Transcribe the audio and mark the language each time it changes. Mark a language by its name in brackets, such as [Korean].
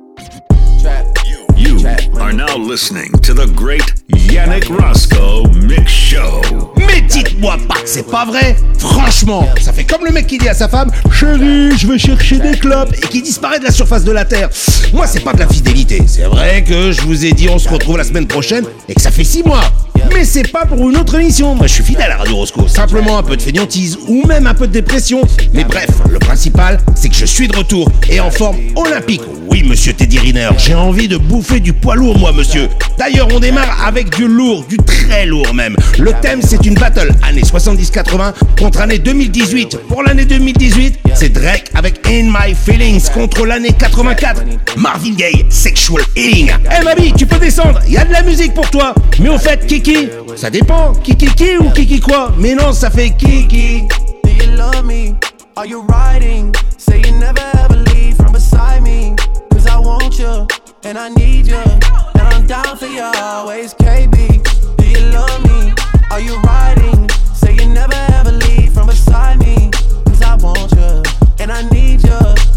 [English] are now listening to the great Yannick Rosco Mix Show. [French] Mais dites-moi pas que c'est pas vrai. Franchement, ça fait comme le mec qui dit à sa femme « Chérie, je vais chercher des clopes » et qui disparaît de la surface de la Terre. Moi, c'est pas de la fidélité. C'est vrai que je vous ai dit on se retrouve la semaine prochaine et que ça fait 6 mois. Mais c'est pas pour une autre émission. Moi, je suis fidèle à Radio Rosco. Simplement un peu de fainéantise ou même un peu de dépression. Mais bref, le principal, c'est que je suis de retour et en forme olympique. Oui, monsieur Teddy Riner, j'ai envie de bouffer du poids lourd, moi, monsieur. D'ailleurs, on démarre avec du lourd, du très lourd même. Le thème, c'est une battle année 70-80 contre année 2018. Pour l'année 2018, c'est Drake avec In My Feelings contre l'année 84. Marvin Gaye, Sexual Healing. Eh, hey, ma vie, tu peux descendre, il y a de la musique pour toi. Mais au fait, Kiki, ça dépend, Kiki qui ou Kiki quoi. Mais non, ça fait Kiki. [English] Do you love me? Are you riding? Say you never ever leave from beside me. Cause I want you, and I need you. And I'm down for you always, KB. Do you love me? Are you riding? Say you never ever leave from beside me. Cause I want you, and I need you.